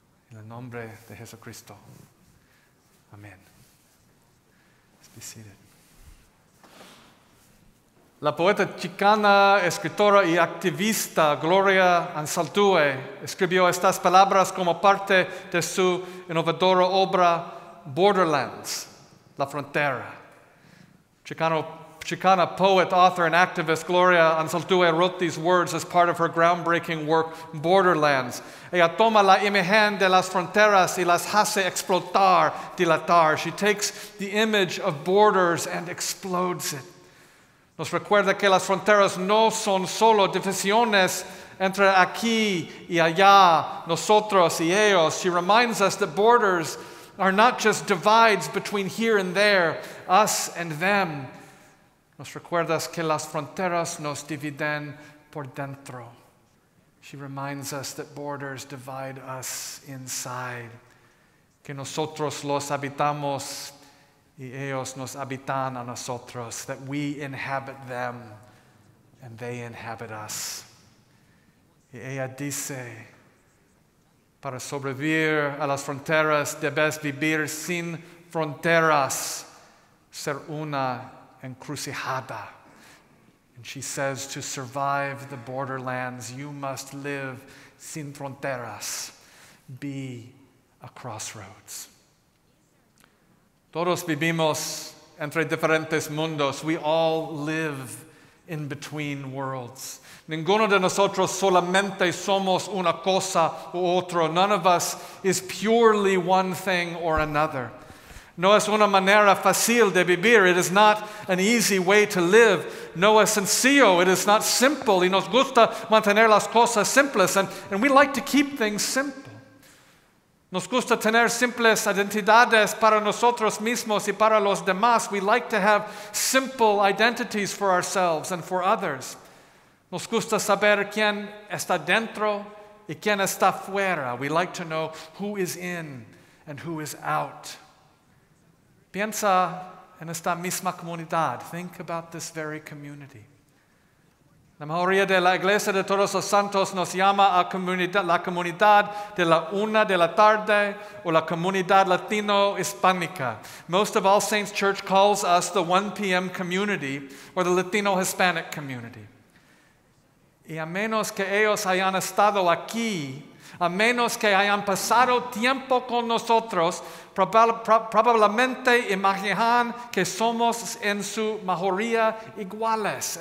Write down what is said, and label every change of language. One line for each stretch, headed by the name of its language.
Spanish: En el nombre de Jesucristo. Amén.
English: Let's be seated.
Spanish: La poeta chicana, escritora y activista Gloria Anzaldúa escribió estas palabras como parte de su innovadora obra Borderlands, La Frontera.
English: Chicana poet, author, and activist Gloria Anzaldúa wrote these words as part of her groundbreaking work, Borderlands.
Spanish: Ella toma la imagen de las fronteras y las hace explotar, dilatar.
English: She takes the image of borders and explodes it.
Spanish: Nos recuerda que las fronteras no son solo divisiones entre aquí y allá, nosotros y ellos.
English: She reminds us that borders are not just divides between here and there, us and them.
Spanish: Nos recuerda que las fronteras nos dividen por dentro.
English: She reminds us that borders divide us inside.
Spanish: Que nosotros los habitamos y ellos nos habitan a nosotros,
English: that we inhabit them and they inhabit us.
Spanish: Y ella dice, para sobrevivir a las fronteras debes vivir sin fronteras, ser una encrucijada.
English: And she says, to survive the borderlands, you must live
Spanish: sin fronteras,
English: be a crossroads.
Spanish: Todos vivimos entre diferentes mundos.
English: We all live in between worlds.
Spanish: Ninguno de nosotros solamente somos una cosa u otro.
English: None of us is purely one thing or another.
Spanish: No es una manera fácil de vivir.
English: It is not an easy way to live.
Spanish: No es sencillo.
English: It is not simple.
Spanish: Y nos gusta mantener las cosas simples.
English: And we like to keep things simple.
Spanish: Nos gusta tener simples identidades para nosotros mismos y para los demás.
English: We like to have simple identities for ourselves and for others.
Spanish: Nos gusta saber quién está dentro y quién está fuera.
English: We like to know who is in and who is out.
Spanish: Piensa en esta misma comunidad.
English: Think about this very community.
Spanish: La mayoría de la iglesia de todos los santos nos llama a la comunidad de la una de la tarde o la comunidad latino-hispánica.
English: Most of All Saints Church calls us the 1 p.m. community or the Latino-Hispanic community.
Spanish: Y a menos que ellos hayan estado aquí, a menos que hayan pasado tiempo con nosotros, probablemente imaginan que somos en su mayoría iguales.